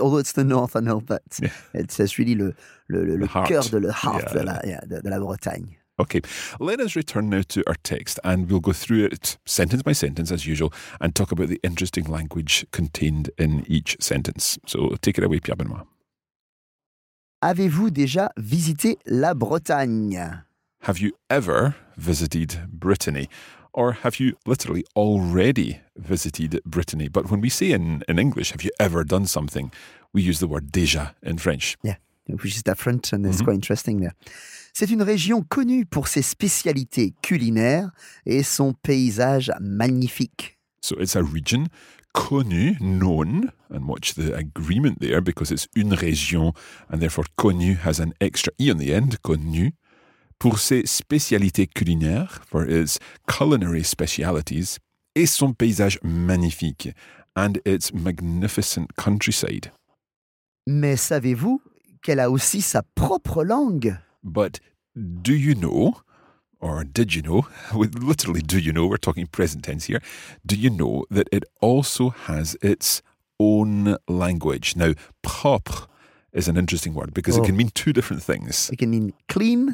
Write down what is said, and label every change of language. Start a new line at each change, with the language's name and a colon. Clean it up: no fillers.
English: Although it's the north, I know, but yeah. it's really
French: le cœur de la
English: heart yeah.
French: de la Bretagne.
English: Okay, let us return now to our text and we'll go through it sentence by sentence as usual and talk about the interesting language contained in each sentence. So take it away, Pierre Benoît.
French: Avez-vous déjà visité la Bretagne?
English: Have you ever visited Brittany? Or have you literally already visited Brittany? But when we say in English, have you ever done something, we use the word déjà in French. Yeah. Which is different and it's mm-hmm. quite interesting there.
French: C'est une région connue pour ses spécialités culinaires et son paysage magnifique.
English: So it's a region connue, known, and watch the agreement there because it's
French: une région
English: and therefore connue has an extra E on the end, connue,
French: pour ses spécialités culinaires,
English: for its culinary specialities,
French: et son paysage magnifique,
English: and its magnificent countryside.
French: Mais savez-vous qu'elle a aussi sa propre langue.
English: But do you know, or did you know, with literally do you know, we're talking present tense here, do you know that it also has its own language? Now, propre is an interesting word because it can mean two different things. It can mean clean,